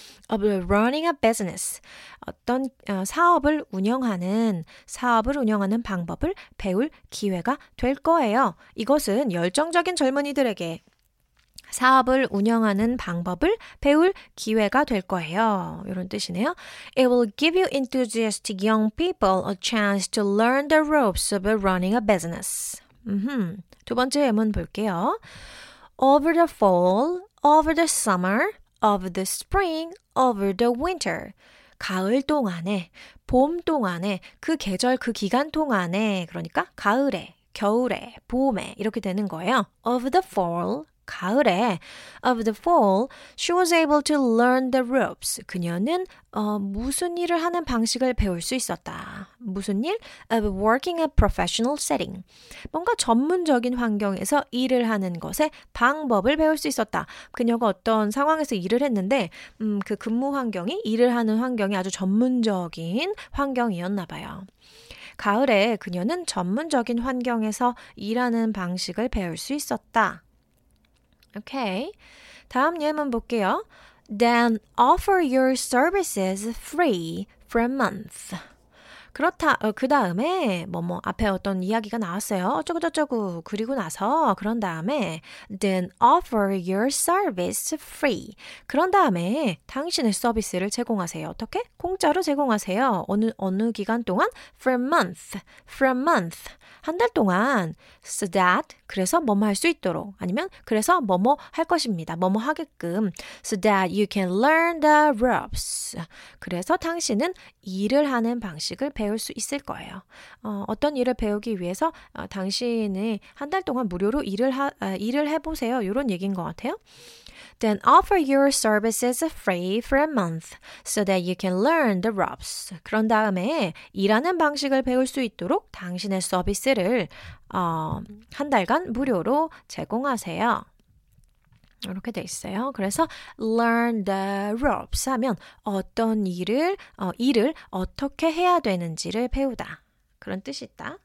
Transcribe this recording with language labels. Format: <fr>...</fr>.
<en>Of running a business.</en> <ko>어떤 사업을 운영하는 방법을 배울 기회가 될 거예요. 이것은 열정적인 젊은이들에게 사업을 운영하는 방법을 배울 기회가 될 거예요. 이런 뜻이네요.</ko> <en>It will give you enthusiastic young people a chance to learn the ropes of running a business.</en> <ko>두 번째 예문 볼게요.</ko> <en>Over the fall, over the summer, over the spring, over the winter.</en> <ko>가을 동안에, 봄 동안에, 그 계절, 그 기간 동안에, 그러니까 가을에, 겨울에, 봄에 이렇게 되는 거예요.</ko> <en>Of the fall,</en> <ko>가을에,</ko> <en>of the fall, she was able to learn the ropes.</en> <ko>그녀는 무슨 일을 하는 방식을 배울 수 있었다. 무슨 일?</ko> <en>Of working a professional setting.</en> <ko>뭔가 전문적인 환경에서 일을 하는 것의 방법을 배울 수 있었다. 그녀가 어떤 상황에서 일을 했는데 그 근무 환경이, 일을 하는 환경이 아주 전문적인 환경이었나 봐요. 가을에 그녀는 전문적인 환경에서 일하는 방식을 배울 수 있었다.</ko> <en>Okay.</en> <ko>다음 예문 볼게요.</ko> <en>Then offer your services free for a month.</en> <ko>그렇다. 그 다음에 뭐뭐 앞에 어떤 이야기가 나왔어요. 어쩌고저쩌고. 그리고 나서 그런 다음에</ko> <en>Then offer your service free.</en> <ko>그런 다음에 당신의 서비스를 제공하세요. 어떻게? 공짜로 제공하세요. 어느 기간 동안?</ko> <en>For a month. For a month.</en> <ko>한 달 동안</ko> <en>so that</en> <ko>그래서 뭐뭐 할 수 있도록 아니면 그래서 뭐뭐 할 것입니다. 뭐뭐 하게끔</ko> <en>so that you can learn the ropes.</en> <ko>그래서 당신은 일을 하는 방식을 배울 수 있을 거예요. 어떤 일을 배우기 위해서 당신이 한 달 동안 무료로 일을 해보세요. 이런 얘기인 것 같아요.</ko> <en>Then offer your services free for a month so that you can learn the ropes.</en> <ko>그런 다음에 일하는 방식을 배울 수 있도록 당신의 서비스를 한 달간 무료로 제공하세요. 이렇게 돼 있어요. 그래서</ko> <en>learn the ropes</en> <ko>하면 어떤 일을 어떻게 해야 되는지를 배우다. 그런 뜻이 있다.</ko>